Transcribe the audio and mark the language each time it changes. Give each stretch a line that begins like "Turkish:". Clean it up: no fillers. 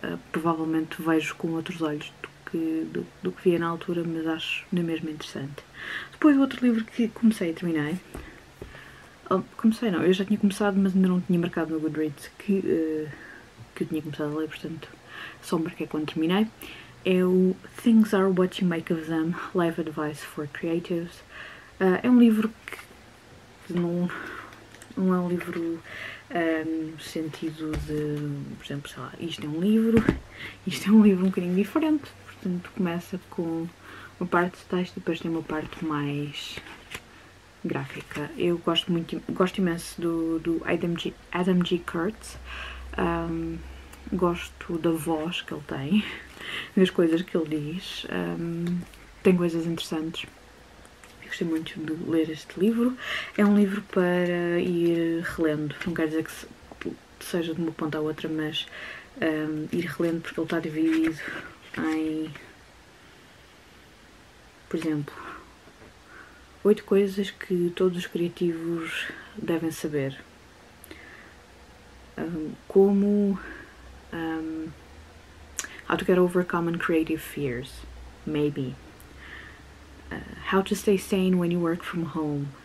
Portuguese: Provavelmente vejo com outros olhos do que via na altura, mas acho na mesma interessante. Depois, outro livro que comecei e terminei. Comecei, não, eu já tinha começado, mas ainda não tinha marcado no Goodreads que eu tinha começado a ler, portanto, só marquei quando terminei. É o Things Are What You Make of Them: Life Advice for Creatives. É um livro que não é um livro no sentido de, por exemplo, sei lá, isto é um livro um bocadinho diferente. Portanto, começa com uma parte de texto e depois tem uma parte mais gráfica. Eu gosto muito, gosto imenso do Adam G. Kurtz. Gosto da voz que ele tem, das coisas que ele diz. Tem coisas interessantes. Eu gostei muito de ler este livro. É um livro para ir relendo. Não quero dizer que seja de uma ponta à outra, mas ir relendo, porque ele está dividido em, por exemplo, 8 coisas que todos os criativos devem saber.
English: Como how to get over common creative fears, maybe. How to stay sane when you work from home.